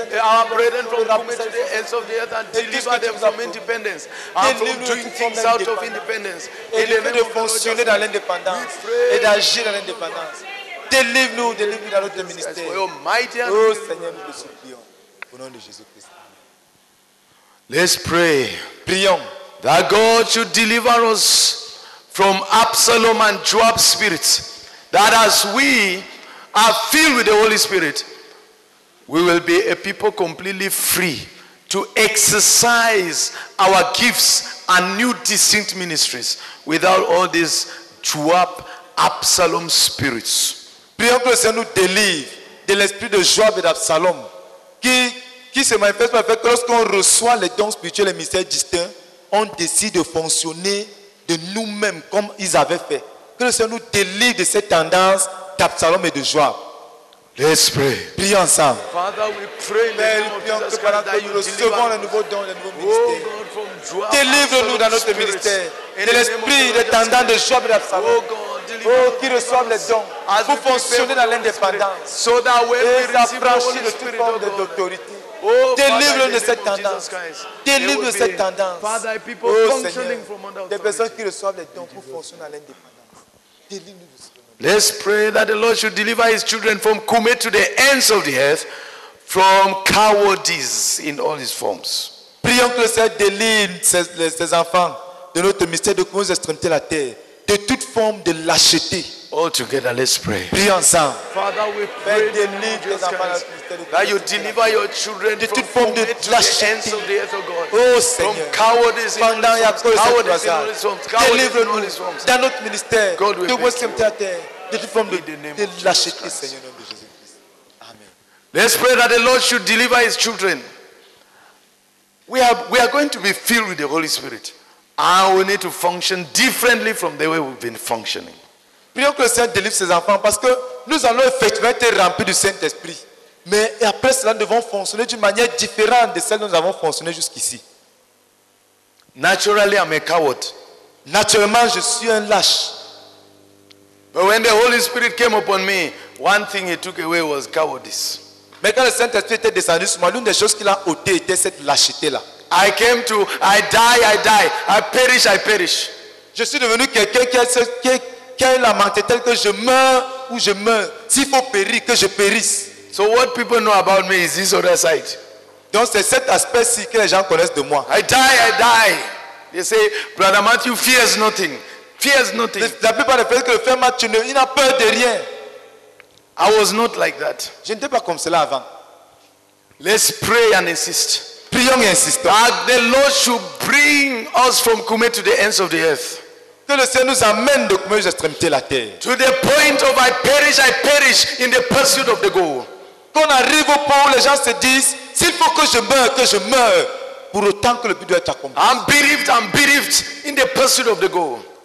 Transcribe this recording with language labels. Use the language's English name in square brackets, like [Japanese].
[English] Saint-Esprit, from the ends of the earth and deliver them from independence and from doing things out of independence. [French] Et de fonctionner dans l'indépendance et d'agir dans l'indépendance. Délivre-nous dans notre ministère. Oh Seigneur, nous te supplions. Au nom de Jésus-Christ. [English] Let's pray. [French] Prions. [English] That God should deliver us from Absalom and Joab spirits. That as we are filled with the Holy Spirit, we will be a people completely free to exercise our gifts and new distinct ministries without all these Joab, Absalom spirits. [French] Prions que le Seigneur nous délivre de l'esprit de Joab et d'Absalom qui se manifeste par le fait que lorsqu'on reçoit les dons spirituels et les ministères distincts, on décide de fonctionner de nous-mêmes comme ils avaient fait. Que le Seigneur nous délivre de cette tendance d'Absalom et de Joab. [English] Let's pray. [French] Prions ensemble. [English] Father, we pray in the name of Jesus Christ that you deliver [French] us. Les nouveaux dons, les nouveaux ministères. Délivre-nous dans notre ministère de l'esprit des tendances de Joab et d'Absalom. Oh, qui reçoivent les dons pour fonctionner dans l'indépendance. [English] So that when we [French] s'affranchir de toute forme de l'autorité. Délivre-nous de cette tendance. Délivre-nous de cette tendance. [English] Father, people functioning from under authority. [French] Des personnes qui reçoivent les dons pour fonctionner dans l'indépendance. [English] Let's pray that the Lord should deliver his children from Kume to the ends of the earth, from cowardice in all his forms. [French] Prions que le Seigneur délivre ses enfants de notre mystère de Kume aux extrémités de la terre, de toute forme de lâcheté. [English] All together, let's pray. [French] Prions ensemble. [English] Father, we pray that you deliver your children [French] de toute forme de lâcheté. [English] Ends of the earth, oh God. [French] Oh Seigneur. [English] From cowardice [French] pendant [English] in all his forms. [French] Délivre-nous dans notre ministère de toute forme de lâcheté, Seigneur. Amen. [English] Let's pray that the Lord should deliver his children. We are going to be filled with the Holy Spirit. And we need to function differently from the way we've been functioning. [French] Prions que le Seigneur délivre ses enfants parce que nous allons effectivement être remplis du Saint-Esprit. Mais après cela, nous devons fonctionner d'une manière différente de celle dont nous avons fonctionné jusqu'ici. [English] Naturally, I'm a coward. [French] Naturellement, je suis un lâche. [English] But when the Holy Spirit came upon me, one thing he took away was cowardice. [French] Mais quand le Saint-Esprit était descendu sur moi, l'une des choses qu'il a ôté était cette lâcheté-là. [English] I came to, I die. I perish. [French] Je suis devenu quelqu'un qui a la mentalité telle que je meurs ou je meurs. S'il faut périr, que je périsse. [English] So what people know about me is this other side. [French] Donc c'est cet aspect-ci que les gens connaissent de moi. [English] I die. They say, Brother Mathew fears nothing. [French] La plupart des personnes que le frère Mathew, il n'a peur de rien. [English] I was not like that. [French] Je n'étais pas comme cela avant. [English] Let's pray and insist. [French] Prions et insistons. [English] That the Lord should bring us from Kume to the ends of the earth. [French] Que le Seigneur nous amène de Kume aux extrémités de la terre. [English] To the point of I perish in the pursuit of the goal. [French] Qu'on arrive au point où les gens se disent, s'il faut que je meure, pour autant que le but doit être accompli. [English] I'm bereaved in the pursuit of the goal.